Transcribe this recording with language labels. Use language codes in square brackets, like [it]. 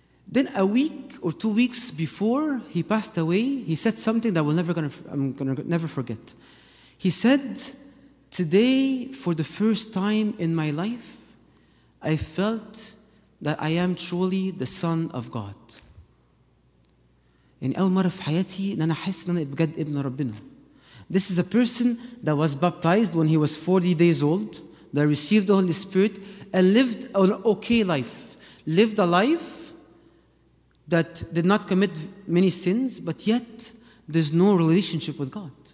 [en] Then a week or 2 weeks before he passed away, he said something that I'm never gonna forget. He said, "Today, for the first time in my life, I felt that I am truly the Son of God." [ar] يعني أول مرة في حياتي أنا أحس أن أنا بجد ابن ربنا. [en] This is a person that was baptized when he was 40 days old, that received the Holy Spirit and lived an okay life. Lived a life that did not commit many sins, but yet there's no relationship with God.